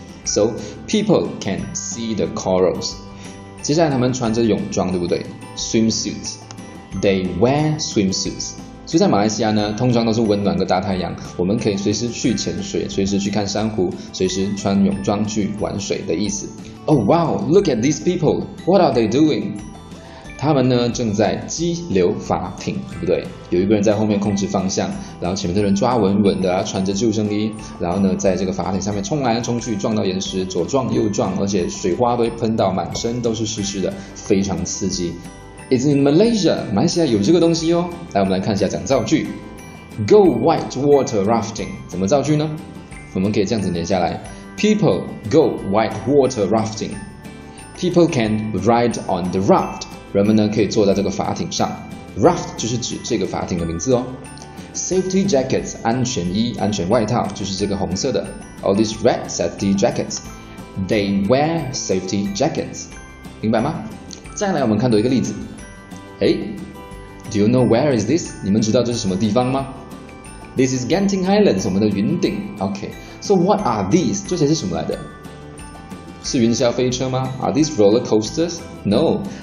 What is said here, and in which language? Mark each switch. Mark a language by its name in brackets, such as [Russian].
[English] So people can see the corals。 [Chinese] 接下来他们穿着泳装，对不对 [English] ？Swimsuits， they wear swimsuits。 [Chinese] 所以在马来西亚呢，通常都是温暖的大太阳，我们可以随时去潜水，随时去看珊瑚，随时穿泳装去玩水的意思。 [English] Oh wow， look at these people， what are they doing？ [Chinese] 他们呢正在激流法艇，对不对？有一个人在后面控制方向，然后前面的人抓稳稳的，穿着救生衣，然后呢在这个法艇上面冲来冲去，撞到岩石，左撞右撞，而且水花都会喷到满身都是湿湿的，非常刺激。 [English] It's in Malaysia， [Chinese] 马来西亚有这个东西哦。来，我们来看一下讲造句。 [English] Go white water rafting， [Chinese] 怎么造句呢？我们可以这样子连下来 [English] ：People go white water rafting。 People can ride on the raft。 [Chinese] 人们呢可以坐在这个筏艇上 ，raft 就是指这个筏艇的名字哦。 [English] Safety jackets [Chinese] 安全衣、安全外套就是这个红色的。 [English] All these red safety jackets, they wear safety jackets， 明白吗？ [Chinese] 再来，我们看到一个例子。 [English] 哎 ，Do you know where is this？ [Chinese] 你们知道这是什么地方吗 [English] ？This is Genting Highlands， [Chinese] 我们的云顶。 [English] Okay， so what are these？ [Chinese] 这些是什么来的？是云霄飞车吗 [English] ？Are these roller coasters？ No。